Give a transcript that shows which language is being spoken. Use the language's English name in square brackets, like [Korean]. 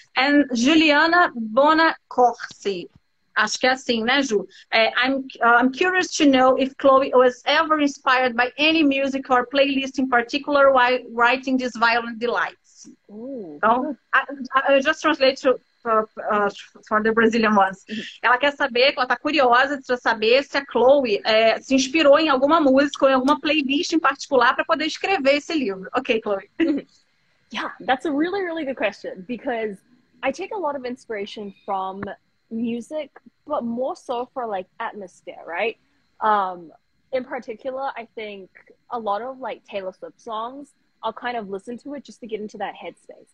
[Portuguese] And Juliana Bonacorsi, acho que é assim, né, Ju? [English] I'm curious to know if Chloe was ever inspired by any music or playlist in particular while writing these violent delights. I just translate to for the Brazilian ones. [Portuguese] Ela quer saber, ela está curiosa de saber se a Chloe se inspirou em alguma música ou em alguma playlist em particular para poder escrever esse livro. [English] Ok, Chloe. Yeah, that's a really, really good question because I take a lot of inspiration from music, but more so for like atmosphere, right? In particular, I think a lot of like Taylor Swift songs, I'll kind of listen to it just to get into that headspace.